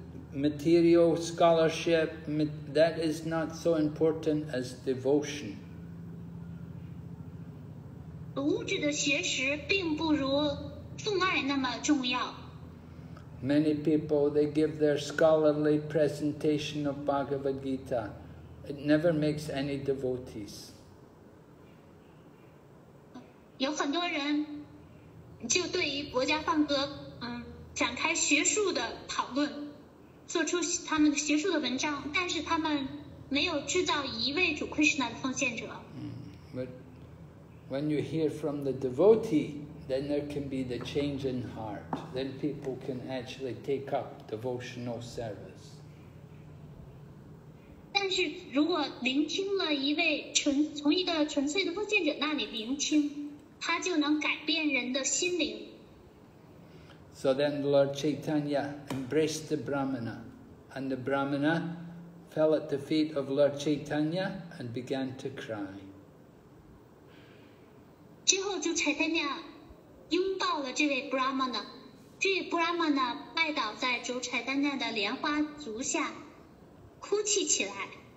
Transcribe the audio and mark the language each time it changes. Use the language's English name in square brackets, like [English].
[English] Material scholarship, that is not so important as devotion. [Chinese] 物质的学识并不如奉爱那么重要。 [English] Many people, they give their scholarly presentation of Bhagavad Gita. It never makes any devotees. [Chinese] 有很多人就对于《博伽梵歌》展开学术的讨论。做出他们学术的文章，但是他们没有制造一位主 Krishna 的奉献者。 [English] But when you hear from the devotee, then there can be the change in heart. Then people can actually take up devotional service. [Chinese] 但是如果聆听了一位从一个纯粹的奉献者那里聆听，他就能改变人的心灵。 [English] So then Lord Chaitanya embraced the Brahmana, and the Brahmana fell at the feet of Lord Chaitanya and began to cry. [Chinese] 之后就 Chaitanya 拥抱了这位 Brahmana, 这位 Brahmana 拜倒在主 Chaitanya 的莲花足下哭泣起来。